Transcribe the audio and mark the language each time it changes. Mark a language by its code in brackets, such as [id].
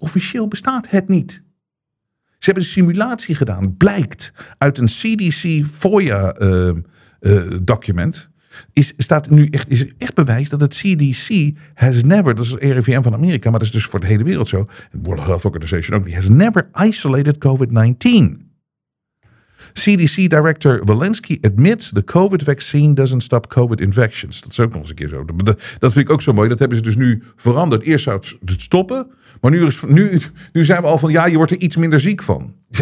[nl] Officieel bestaat het niet. Ze hebben een simulatie gedaan. Blijkt uit een CDC FOIA-document. Staat nu echt bewijs dat het CDC [en] has never... [nl] dat is het RIVM van Amerika, maar dat is dus voor de hele wereld zo. [en] World Health Organization [nl] ook niet. [en] Has never isolated COVID-19. CDC Director Walensky admits the COVID vaccine doesn't stop COVID infections. [nl] Dat is ook nog eens een keer zo. Dat vind ik ook zo mooi. Dat hebben ze dus nu veranderd. Eerst zou het stoppen. Maar nu zijn we al van, ja, je wordt er iets minder ziek van.